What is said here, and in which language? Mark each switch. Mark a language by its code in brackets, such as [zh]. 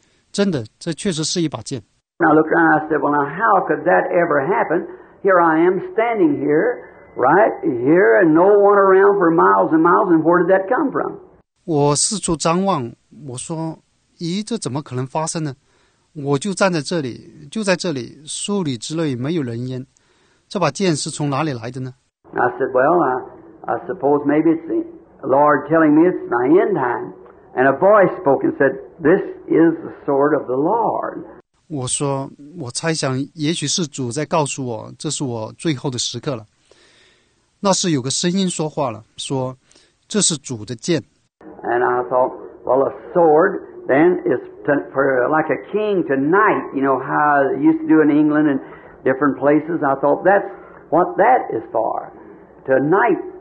[zh] 而且方圆数里都渺无人烟，手中拿着那把剑，我知道自己是清醒的。我摸着那把剑，将它拿了起来，前后飞舞了一阵。真的，这确实是一把剑。 [en] I looked around and I said, well, now how could that ever happen? Here I am standing here, right here, and no one around for miles and miles, and where did that come from? [zh] 我四处张望，我说，咦，这怎么可能发生呢？我就站在这里，就在这里，树里之内没有人烟，这把剑是从哪里来的呢？ [en] I said, well, I suppose maybe it's the Lord telling me it's my end time. And a voice spoke and said, this is the sword of the Lord. [zh] 我说，我猜想也许是主在告诉我，这是我最后的时刻了。那是有个声音说话了，说，这是主的剑。 [en] And I thought, well, a sword, then it's for like a king tonight, you know, how they used to do in England and different places. I thought, that's what that is for, tonight.